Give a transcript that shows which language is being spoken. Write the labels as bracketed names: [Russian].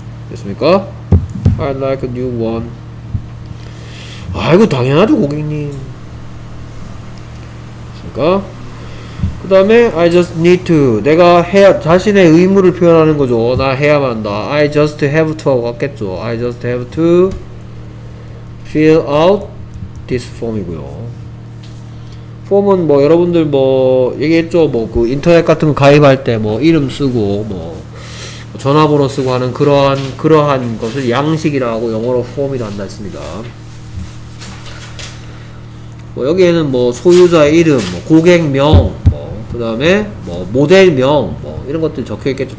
[English] 됐습니까? I'd like a new one. [Korean] 아이고 당연하죠 고객님. 됐습니까? 그 다음에 [English] I just need to. [Korean] 내가 해야 자신의 의무를 표현하는 거죠. 나 해야만 한다. [English] I just have to [Korean] 하고 같겠죠. [English] I just have to fill out this form이고요. [Korean] form은 뭐 여러분들 뭐 얘기했죠. 뭐 그 인터넷 같은 거 가입할 때 뭐 이름 쓰고 뭐 전화번호 쓰고 하는 그러한 것을 양식이라고 영어로 form이라 한다 했습니다. 뭐 여기에는 뭐 소유자 이름, 뭐 고객명 그 다음에 뭐 모델명 뭐 이런 것들 적혀있겠죠.